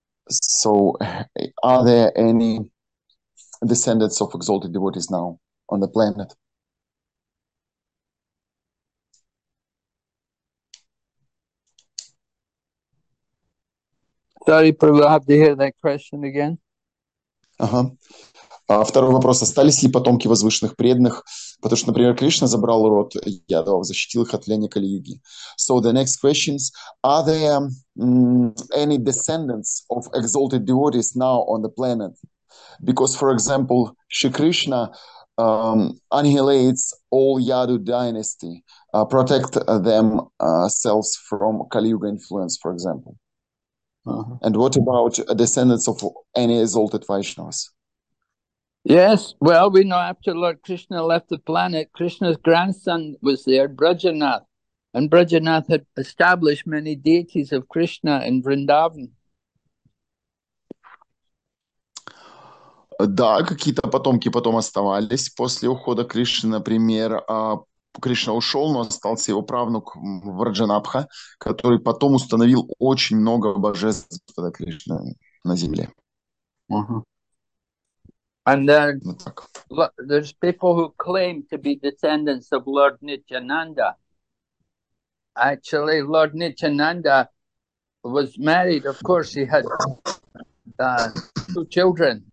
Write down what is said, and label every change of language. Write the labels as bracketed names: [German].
[English] So, are there any descendants of exalted devotees now on the planet? Sorry, Prabhu, I have to hear that question again. [Russian] Второй вопрос. Остались ли потомки возвышенных преданных? Потому что, например, Кришна забрал род Ядов, защитил их от влияния Кали-Юги. [English] So the next question is, are there any descendants of exalted devotees now on the planet? Because, for example, Shri Krishna annihilates all Yadu dynasty, protect themselves from Kali-Yuga influence, for example. And what about descendants of any exalted Vaishnavas? Yes, well, we know after Lord Krishna left the planet, Krishna's grandson was there, Brajanath. And Brajanath had established many deities of Krishna in Vrindavan. [Russian] Да, какие-то потомки потом оставались после ухода Кришны, например, Кришна ушел, но остался его правнук Враджанабха, который потом установил очень много божеств Кришны на земле. [English] And there's people who claim to be descendants of Lord Nityananda. Actually, Lord Nityananda was married, of course, he had two children.